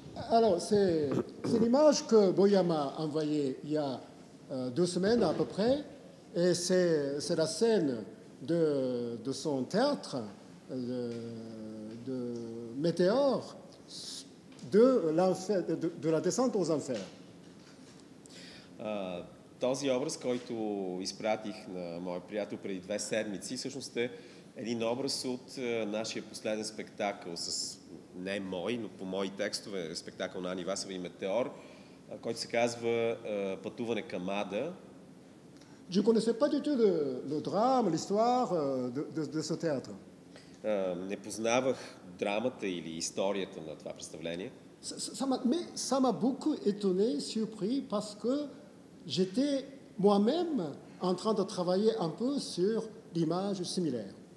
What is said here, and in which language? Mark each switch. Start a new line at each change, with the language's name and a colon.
French: Alors, c'est l'image que Boyama a envoyée il y a deux semaines à peu près. Et c'est la scène de son théâtre, de Météore, de la descente aux enfers.
Bulgarian: Този образ, който изпратих на моя приятел преди две седмици, всъщност е един образ от нашия последен спектакъл, с не мой, но по мои текстове, спектакъл на Ани Васова и Метеор, който се казва Пътуване към Ада.
French: Je connaissais pas du tout le drame, l'histoire de ce théâtre.
Bulgarian: Не познавах драмата или историята на това представление.
French: Ça m'a beaucoup étonné, surpris, parce que j'étais moi-même en train de travailler un peu sur l'image similaire.